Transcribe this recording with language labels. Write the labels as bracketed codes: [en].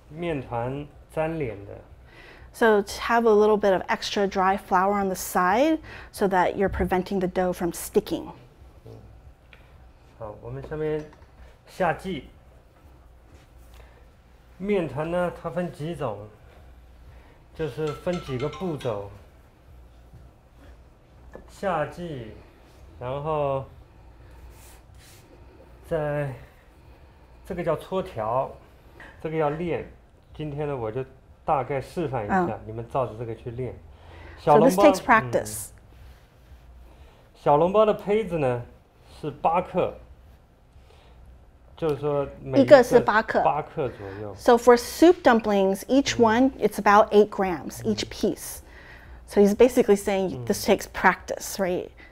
[zh] 这个干面粉呢，放在边上是防止做的时候面团粘连的。 [en] So to have a little bit of extra dry flour on the side so that you're preventing the dough from sticking. [zh] 好，我们下面下剂。面团呢，它分几种，就是分几个步骤。下剂，然后在这个叫搓条，这个要练。今天呢，我就大概示范一下，你们照着这个去练。小笼包。 [en] So this takes practice. [zh] 小笼包的胚子呢是八克。 [en] So for soup dumplings, each one, it's about 8 grams, each piece. So he's basically saying this takes practice, right?